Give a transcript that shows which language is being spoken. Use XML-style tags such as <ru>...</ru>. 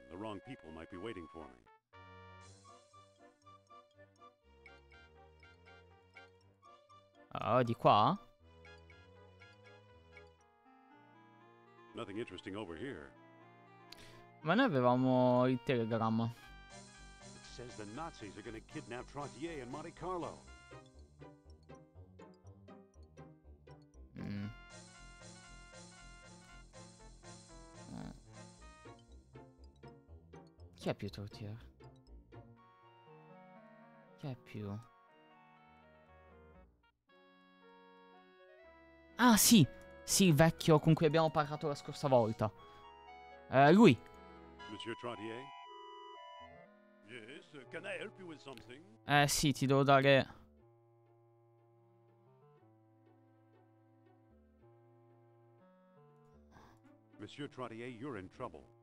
<en>The wrong people might be waiting for me.</en> <it>Di qua?</it> <en>Nothing interesting over here.</en> <it>Ma noi avevamo il telegramma.</it> <en>It says the Nazis are gonna kidnap Trottier in Monte Carlo.</en> <it>Chi è più Trottier? Chi è più? Ah sì! Sì, il vecchio con cui abbiamo parlato la scorsa volta. Lui!</it> <en>Monsieur Trottier? Yes, can I help you with something?</en> <it>Sì, ti devo dare.</it> <en>Monsieur Trottier, you're in trouble.</en>